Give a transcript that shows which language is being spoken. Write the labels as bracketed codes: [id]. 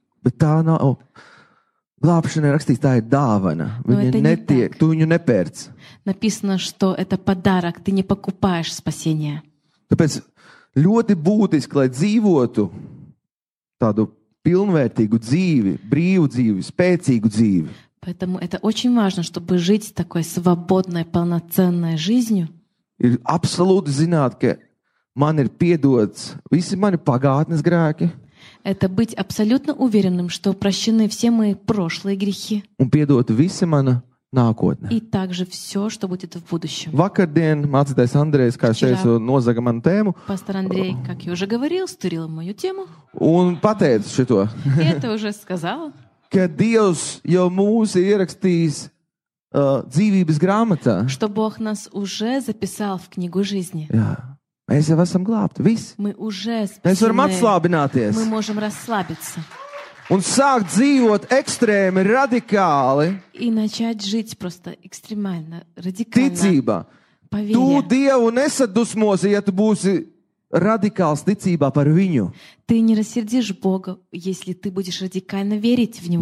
[lv] Bet tā nav. Glābšana ir rakstīts, tā ir dāvana. Viņa netiek, tu viņu nepērc. [ru] Написано, что это подарок, ты не покупаешь спасение. [lv] Tāpēc ļoti būtiski, lai dzīvotu tādu pilnvērtīgu dzīvi, brīvu dzīvi, spēcīgu dzīvi. [ru] Поэтому это очень важно, чтобы жить такой свободной, полноценной жизнью. [lv] Ir absolūti zināt, ka man ir piedots visi mani pagātnes grēki. [ru] Это быть абсолютно уверенным, что прощены все мои прошлые грехи. [lv] Un piedot visi mana nākotne. [ru] И также все, что будет в будущем. [lv] Vakardien mācītājs Andrejs, kā es teicu, nozaga manu tēmu. [ru] Pastor Andrej, как я уже говорил, стурил мою тему. [lv] Un pateica šito. [ru] Это уже сказал. [lv] Ka Dievs jau mūs ierakstīs dzīvības grāmatā. [ru] Что Бог нас уже записал в книгу жизни. [lv] Jā. Mēs jau esam glābti, viss. [ru] Мы уже спасены. [lv] Mēs varam atslābināties. [ru] Мы можем расслабиться. [lv] Un sākt dzīvot ekstrēmi, radikāli. [ru] И начать жить просто экстремально, радикально. [lv] Ticībā. [ru] Поверь. [lv] Tu Dievu nesadusmosi, ja tu būsi radikāls ticībā par viņu. [ru] Ты не рассердишь Бога, если ты будешь радикально верить в него.